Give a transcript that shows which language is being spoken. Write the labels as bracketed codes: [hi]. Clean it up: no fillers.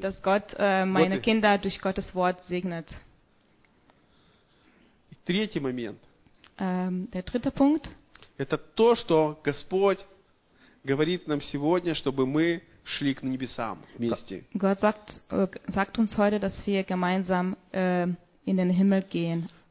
[de] Dass Gott meine Kinder durch Gottes Wort segnet. [ru] Третий момент. [de] Der dritte Punkt. [ru] Это то, что Господь говорит нам сегодня, чтобы мы шли к небесам вместе. [de] Gott sagt uns heute, dass wir gemeinsam in den Himmel gehen.